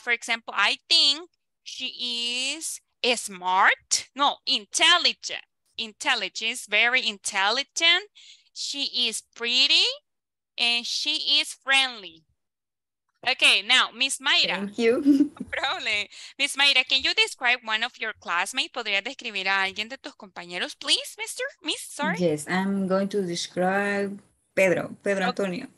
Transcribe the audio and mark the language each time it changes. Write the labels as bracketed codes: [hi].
[en] For example, I think she is smart. No, intelligent. Intelligent, very intelligent. She is pretty and she is friendly. Okay, now, Miss Mayra. Thank you. No problem. Miss Mayra, can you describe one of your classmates? [es] ¿Podría describir a alguien de tus compañeros, [en] please, mister? Miss, sorry. Yes, I'm going to describe Pedro, Pedro Antonio.